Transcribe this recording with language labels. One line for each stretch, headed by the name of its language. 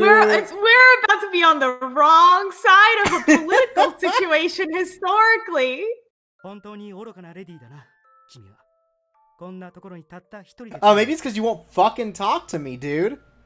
English: We're about to be on the wrong side of a political situation historically.
Japanese: 本当に愚かなレディだな、君は。
English: Oh, maybe it's because you won't fucking talk to me, dude.